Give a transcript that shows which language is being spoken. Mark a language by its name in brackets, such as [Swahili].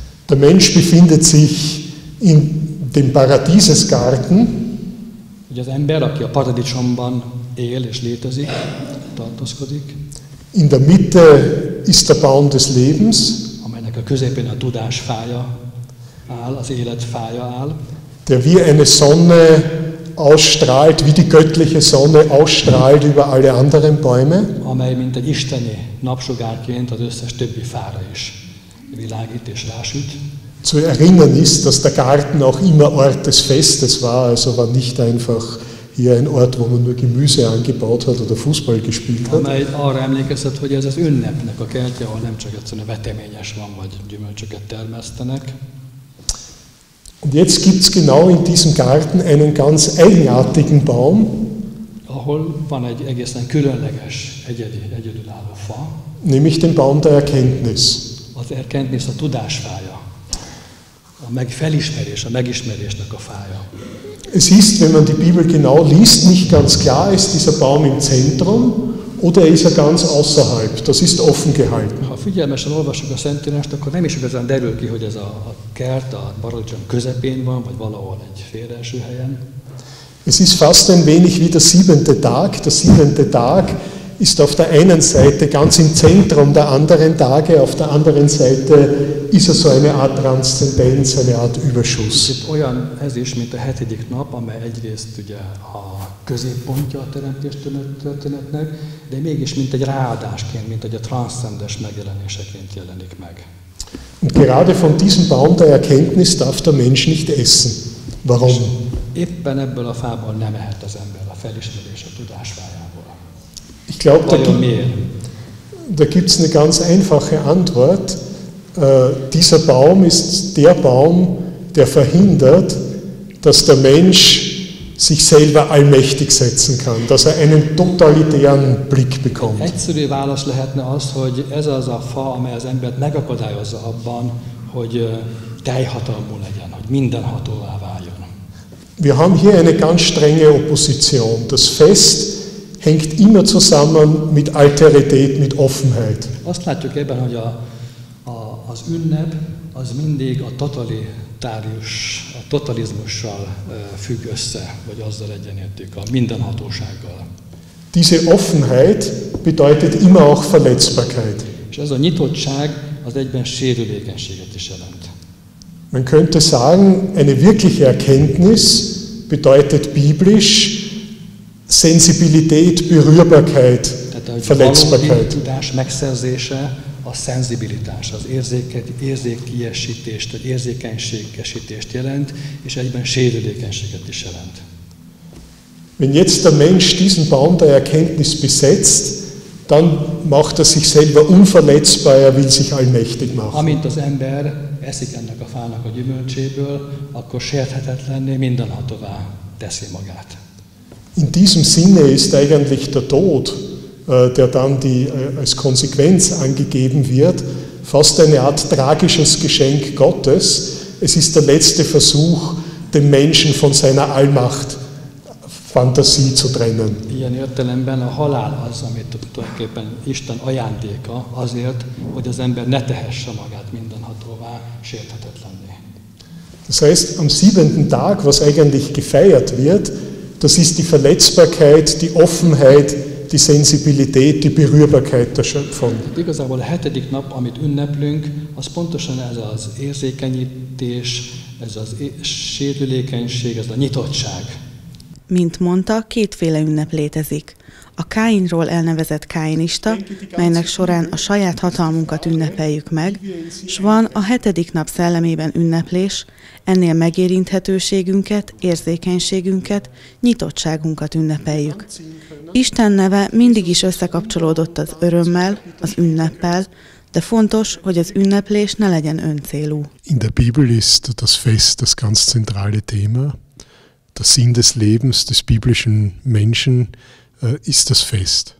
[German] Der Mensch befindet sich In dem Paradiesesgarten, [Hungarian] hogy az ember, aki a paradicsomban él és létezik, tartózkodik. [German] In der Mitte ist der Baum des Lebens, [Hungarian] amelynek a középén a tudás fája áll, az élet fája áll. [German] Der wie eine Sonne ausstrahlt, wie die göttliche Sonne ausstrahlt über alle anderen Bäume. [Hungarian] Amely mint egy isteni napsugárként az összes többi fára is világít és rásüt. [German] Zu erinnern ist, dass der Garten auch immer Ort des Festes war, also war nicht einfach hier ein Ort, wo man nur Gemüse angebaut hat oder Fußball gespielt hat. [Hungarian] Amely arra emlékezett, hogy ez az ünnepnek a kertje, ahol nem csak egyszerűen veteményes van, vagy gyümölcsöket termesztenek. [German] Und jetzt gibt's genau in diesem Garten einen ganz eigenartigen Baum. [Hungarian] Ahol van egy egészen különleges, egyedülálló fa. [German] Nämlich den Baum der Erkenntnis. [Hungarian] Az Erkenntnis a tudás fája. A felismerés, a megismerésnek a fája. [German] Es ist, wenn man die Bibel genau liest, nicht ganz klar, ist dieser Baum im Zentrum oder ist er ganz außerhalb. Das ist offen gehalten. [Hungarian] Ha figyelmesen olvassuk a Szentírást, akkor nem is igazán derül ki, hogy ez a kert a paradicsom közepén van, vagy valahol egy félreeső helyen. [German] Es ist fast ein wenig wie der siebente Tag. Der siebente Tag ist auf der einen Seite ganz im Zentrum der anderen Tage, auf der anderen Seite ist er so eine Art Transzendenz, eine Art Überschuss. [Hungarian] Olyan ez is, mint a hetedik nap, amely egyrészt ugye a középpontja a teremtés történetnek, de mégis mint egy ráadásként, mint egy a transzcendens megjelenéseként jelenik meg. [German] Und gerade von diesem Baum der Erkenntnis darf der Mensch nicht essen. Warum? [Hungarian] Éppen ebből a fából nem ehet az ember a felismerés, a tudás fájából. [German] Ich glaube, da gibt es eine ganz einfache Antwort. Dieser Baum ist der Baum, der verhindert, dass der Mensch sich selber allmächtig setzen kann, dass er einen totalitären Blick bekommt. [Hungarian] Egyszerű válasz lehetne az, hogy ez az a fa, amely az embert megakadályozza abban, hogy teljhatalmú legyen, hogy mindenhatóvá váljon. [German] Wir haben hier eine ganz strenge Opposition. Das Fest hängt immer zusammen mit Alterität, mit Offenheit. [Hungarian] Azt látjuk ebben, hogy az ünnep az mindig a totalitárius, a totalizmussal függ össze, vagy azzal egyenértik, a mindenhatósággal. [German] Diese Offenheit bedeutet immer auch Verletzbarkeit. [Hungarian] És ez a nyitottság az egyben sérülékenységet is jelent. [German] Man könnte sagen, eine wirkliche Erkenntnis bedeutet biblisch Sensibilität, Berührbarkeit, Verletzbarkeit. [Hungarian] Tehát a valódi tudás megszerzése a szenzibilitás, az érzékiesítést, az érzékenységesítést jelent, és egyben sérülékenységet is jelent. [German] Wenn jetzt der Mensch diesen Baum der Erkenntnis besetzt, dann macht er sich selber unverletzbar, er will sich allmächtig machen. [Hungarian] Amint az ember eszik ennek a fának a gyümölcséből, akkor sérthetetlenné mindenhatóvá teszi magát. [German] In diesem Sinne ist eigentlich der Tod, der dann die als Konsequenz angegeben wird, fast eine Art tragisches Geschenk Gottes. Es ist der letzte Versuch, den Menschen von seiner Allmacht Fantasie zu trennen. [Hungarian] Ilyen értelemben a halál az, amit tulajdonképpen Isten ajándéka azért, hogy az ember ne tehesse magát mindenhatóvá, sérthetetlenné. [German] Das heißt, am siebenten Tag, was eigentlich gefeiert wird, das ist die Verletzbarkeit, die Offenheit, die Sensibilität, die Berührbarkeit der Schöpfung. [Hungarian] Hát igazából a hetedik nap, amit ünneplünk, az pontosan ez az érzékenyítés, ez az sérülékenység, ez a nyitottság. Mint mondta, kétféle ünnep létezik. A Káinról elnevezett káinista, melynek során a saját hatalmunkat ünnepeljük meg, s van a hetedik nap szellemében ünneplés, ennél megérinthetőségünket, érzékenységünket, nyitottságunkat ünnepeljük. Isten neve mindig is összekapcsolódott az örömmel, az ünneppel, de fontos, hogy az ünneplés ne legyen öncélú. [German] In der Bibel ist das Fest das ganz zentrale Thema. Der Sinn des Lebens des biblischen Menschen ist das Fest.